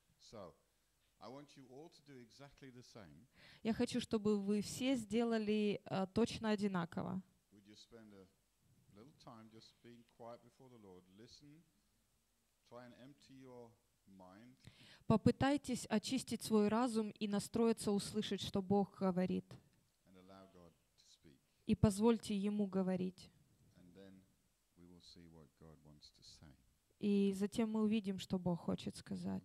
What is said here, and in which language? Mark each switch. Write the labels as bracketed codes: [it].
[en] So, I want you all to do exactly the same. [ru] Я хочу, чтобы вы все сделали точно одинаково. [en] Would you spend a little time just being quiet before the Lord, listen, try and empty your mind. [ru] Попытайтесь очистить свой разум и настроиться услышать, что Бог говорит. [en] And allow God to speak. [ru] И позвольте Ему говорить. [en] And then we will see what God wants to say. [ru] И затем мы увидим, что Бог хочет сказать.